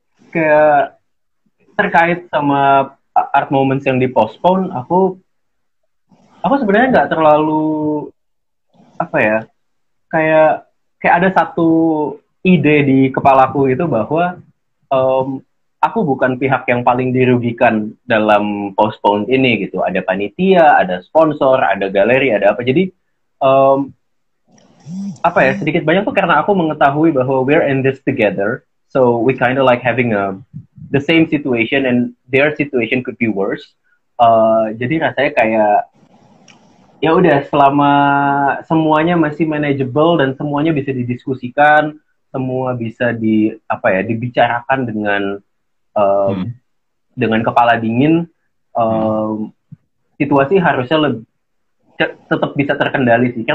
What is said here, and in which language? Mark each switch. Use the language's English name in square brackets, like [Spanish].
[Indonesian] Kayak terkait sama art moments yang dipostpone, aku sebenarnya nggak terlalu apa ya, kayak ada satu ide di kepalaku itu bahwa aku bukan pihak yang paling dirugikan dalam postpone ini gitu. Ada panitia, ada sponsor, ada galeri, ada apa. Jadi apa ya, sedikit banyak tuh karena aku mengetahui bahwa [English] we're in this together, so we kind of like having a the same situation and their situation could be worse. [Indonesian] Jadi rasanya kayak ya udah, selama semuanya masih manageable dan semuanya bisa didiskusikan, semua bisa di apa ya, dibicarakan dengan dengan kepala dingin, situasi harusnya tetap bisa terkendali sih.